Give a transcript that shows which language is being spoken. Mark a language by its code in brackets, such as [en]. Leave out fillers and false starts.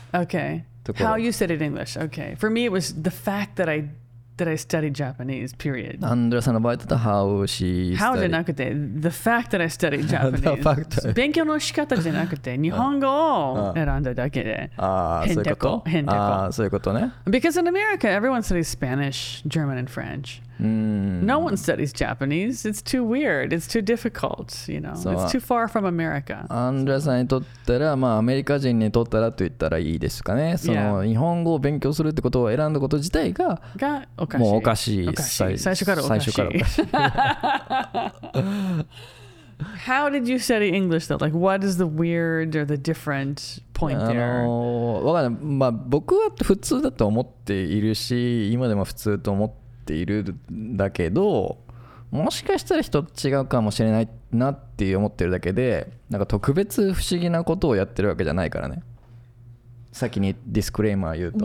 [en] Okay. How you studied English. Okay. For me, it was the fact that I that I studied Japanese, period. [ja] アンドレさんの場合だと [en] How she studied. How [ja] じゃなくて [en] The fact that I studied Japanese. The fact. [ja] 勉強の仕方じゃなくて日本語を選んだだけで。ああ、そういうこと。変なこと。ああ、そういうことね。 [en] Because in America, everyone studies Spanish, German, and French. No one studies Japanese. It's too weird. It's too difficult. You know, it's too far from America. [ja] アンドレさんにとったら、まあアメリカ人にとったらと言ったらいいですかね。その、 [en] yeah. [ja] 日本語を勉強するってことを選んだこと自体が、がおかしい。もうおかしい。最初からおかしい。最初からおかしい。 [en] How did you study English though? Like, what is the weird or the different point there? [ja] わかんない。まあ僕は普通だと思っているし、今でも普通と思っているんだけど、もしかしたら人と違うかもしれないなって思ってるだけで、なんか特別不思議なことをやってるわけじゃないからね。先にディスクレーマー言うと。